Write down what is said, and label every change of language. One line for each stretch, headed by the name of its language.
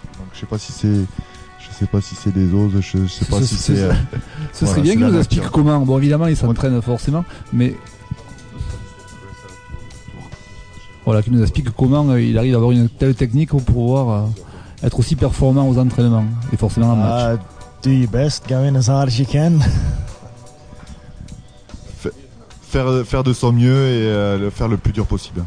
French: Donc je sais pas si c'est des os, ce serait bien qu'il nous explique comment. Bon, évidemment il s'entraîne forcément, mais voilà, qu'il nous explique comment il arrive à avoir une telle technique pour pouvoir être aussi performant aux entraînements et forcément en match.
English: Do your best, go in as hard as you can.
French: Faire de son mieux et le faire le plus dur possible.